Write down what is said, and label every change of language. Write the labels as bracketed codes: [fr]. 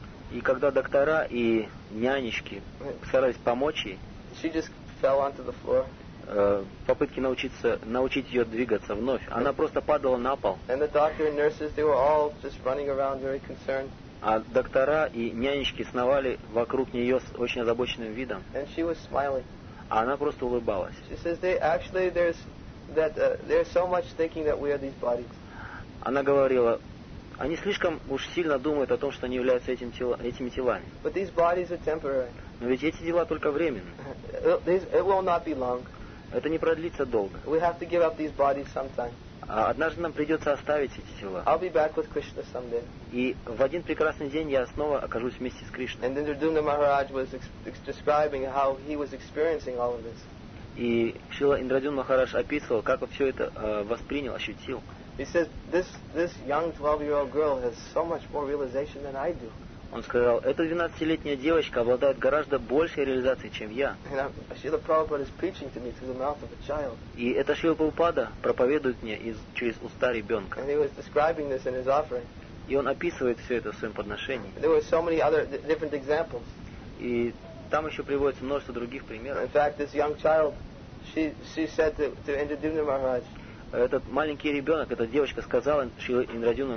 [ru] И когда доктора и нянечки старались помочь ей, [en] fell onto the floor. [ru] Попытки научить ее двигаться вновь. Она просто падала на пол. [en] And the doctor and nurses, they were all just running around, very concerned. [ru] А доктора и нянечки сновали вокруг нее с очень озабоченным видом. [en] And she was smiling. [ru] А она просто улыбалась. [en] She says they actually there's so much thinking that we are these bodies. [ru] Она говорила, они слишком уж сильно думают о том, что они являются этими телами. [en] But these bodies are temporary. [ru] Но ведь эти дела только временные. [en] It will not be long. [ru] Это не продлится долго. [en] We have to give up these bodies sometime. [ru] Однажды нам придется оставить эти тела. [en] I'll be back with Krishna someday. [ru] И в один прекрасный день я снова окажусь вместе с Кришной. [en] And then Indradumna Maharaj was describing how he was experiencing all of this. [ru] И Шрила Индрадюн Махарадж описывал, как он все это воспринял, ощутил. [en] He says, this young 12-year-old girl has so much more realization than I do. [ru] Он сказал, эта 12-летняя девочка обладает гораздо большей реализацией, чем я. [en] Шрила Прабхупада is preaching to me through the mouth of a child. [ru] И эта Шрила Прабхупада проповедует мне через уста ребенка. [en] And he was describing this in his offering. [ru] И он описывает все это в своем подношении. [en] There were so many other different examples. [ru] И там еще приводится множество других примеров. [en] In fact, this young child, she said to Indradumna Maharaj. [ru] Этот маленький ребенок, эта девочка сказала Шриле Индрадюмне